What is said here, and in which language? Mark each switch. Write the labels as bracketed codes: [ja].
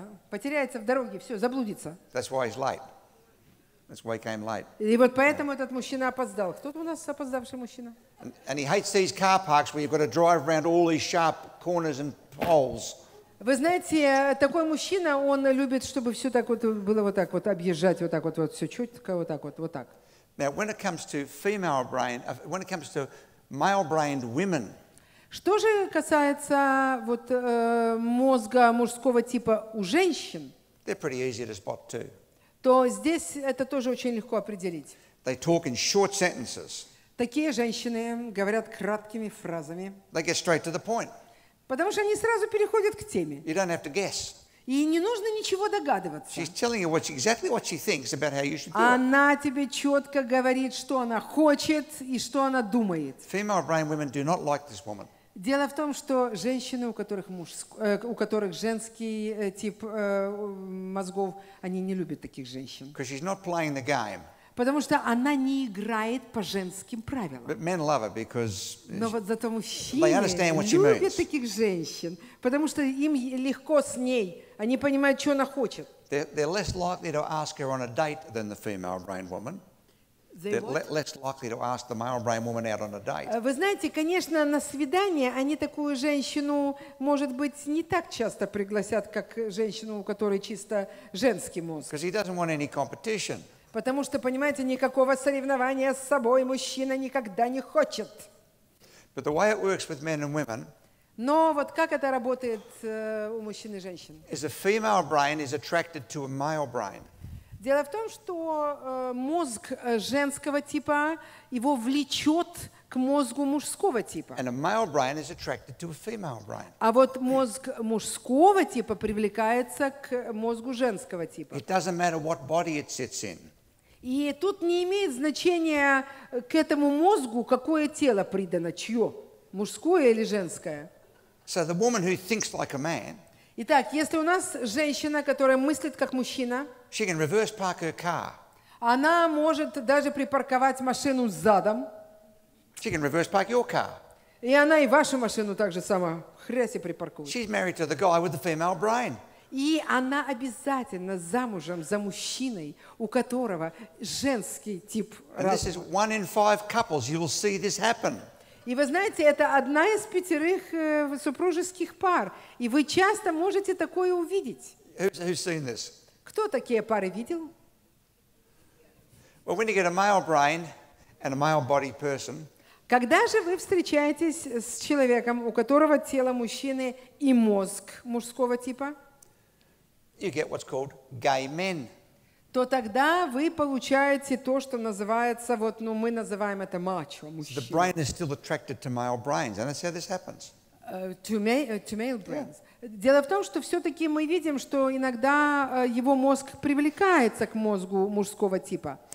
[ru] Потеряется в дороге, все, заблудится. [en] That's why he's late. That's why he came late. [ru] И вот поэтому этот мужчина опоздал. Кто-то у нас опоздавший мужчина? [en] And he hates these car parks where you've got to drive around all these sharp corners and poles. [ru] Вы знаете, такой мужчина, он любит, чтобы все так вот было вот так вот объезжать, вот так вот, вот все четко, вот так вот, вот так. [en] Now, when it comes to female brain, when it comes to male-brained women, [ru] что же касается вот мозга мужского типа у женщин, [en] they're pretty easy to spot too. [ru] То здесь это тоже очень легко определить. [en] They talk in short sentences. [ru] Такие женщины говорят краткими фразами. [en] They get straight to the point. [ru] Потому что они сразу переходят к теме. [en] You don't have to guess. [ru] И не нужно ничего догадываться. [en] She's telling you what she, exactly what she thinks about how you should do it. [ru] Она тебе четко говорит, что она хочет и что она думает. [en] Female brain women do not like this woman. [ru] Дело в том, что женщины, у которых женский тип мозгов, они не любят таких женщин. [en] Because she's not playing the game. [ru] Потому что она не играет по женским правилам. [en] But men love her because [ru] Но вот зато мужчины любят таких женщин, потому что им легко с ней. Они понимают, что она хочет. [en] They're less likely to ask her on a date than the female brain woman. Less likely to ask the male brain woman out on a date. [ru] Вы знаете, конечно, на свидание они такую женщину, может быть, не так часто пригласят, как женщину, у которой чисто женский мозг. [en] Because he doesn't want any competition. [ru] Потому что, понимаете, никакого соревнования с собой мужчина никогда не хочет. [en] But the way it works with men and women, [ru] но вот как это работает у мужчин и женщин? [en] Is a female brain is attracted to a male brain. [ru] Дело в том, что мозг женского типа его влечет к мозгу мужского типа. [en] And a male brain is attracted to a female brain. [ru] А вот мозг мужского типа привлекается к мозгу женского типа. [en] It doesn't matter what body it sits in. [ru] И тут не имеет значения к этому мозгу, какое тело придано, чье, мужское или женское. [en] So the woman who thinks like a man, [ru] итак, если у нас женщина, которая мыслит как мужчина, [en] she can reverse park her car. [ru] Она может даже припарковать машину задом. [en] She can reverse park your car. [ru] И она и вашу машину так же само хрясь и припаркует. [en] She's married to the guy with the female brain. [ru] И она обязательно замужем за мужчиной, у которого женский тип разума. [en] And this is one in five couples. You will see this happen. [ru] И вы знаете, это одна из пятерых супружеских пар. И вы часто можете такое увидеть. [en] Who's seen this? [ru] Кто такие пары видел? [en] Well, when you get a male brain and a male body person, [ru] когда же вы встречаетесь с человеком, у которого тело мужчины и мозг мужского типа? [en] You get what's called gay men. [ru] То тогда вы получаете то, что называется, вот, ну, мы называем это мачо, мужчина. [en] The brain is still attracted to male brains, and that's how this happens. To male brains. Yeah. [ru] Дело в том, что все-таки мы видим, что иногда его мозг привлекается к мозгу мужского типа.